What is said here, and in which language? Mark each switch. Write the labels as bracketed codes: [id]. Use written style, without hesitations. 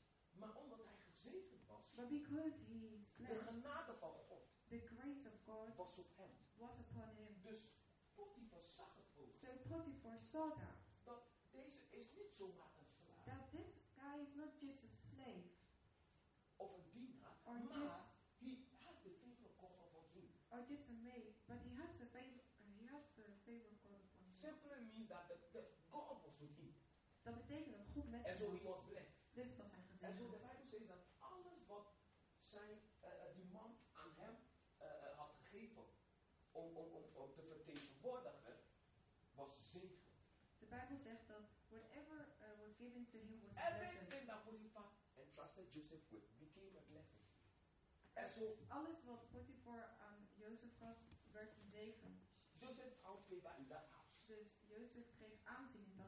[nl] Maar omdat hij gezegend was, [en] but because he's blessed, [nl] de genade van God, [en] the grace of God, [nl] was op hem. [en] Was upon him. [nl] Dus Potiphar zag het ook. [en] So Potiphar saw that. [nl] Dat deze is niet zomaar een slaaf. [en] That this guy is not just a slave. [nl] Of een dienaar, maar [en] he has the favor of God upon him. Or just a maid, but he has the favor. He has the favor of God upon him. Simply means that the God was with him. [nl] Dat betekent dat goed met. [en] And so he was blessed. [nl] Dus was hij gezegend. [en] And so the Bible says that [nl] alles wat zijn die man aan hem had gegeven om te vertegenwoordigen was zegen. [en] The Bible [nl] zegt dat [en] whatever was given to him was blessed. Everything that Potiphar entrusted Joseph with became a blessing. [nl] En zo alles wat Potiphar aan Jozef gaf werd een zegen. [en] Joseph found favor in that house. [nl] Dus Jozef kreeg aanzien in dat